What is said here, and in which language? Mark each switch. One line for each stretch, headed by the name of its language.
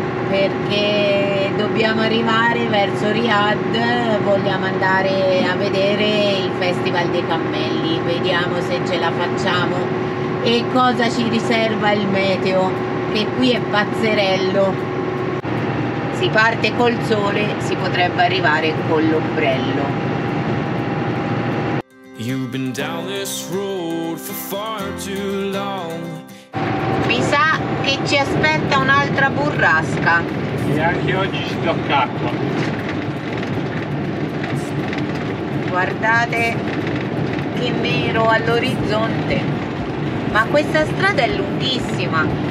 Italian: Perché dobbiamo arrivare verso Riyadh, vogliamo andare a vedere il Festival dei Cammelli, vediamo se ce la facciamo e cosa ci riserva il meteo, che qui è pazzerello. Si parte col sole, si potrebbe arrivare con l'ombrello.
English: You've been down this road for far too long.
Italian: Mi sa che ci aspetta un'altra burrasca. E anche oggi ci tocca acqua. Guardate che nero all'orizzonte. Ma questa strada è lunghissima.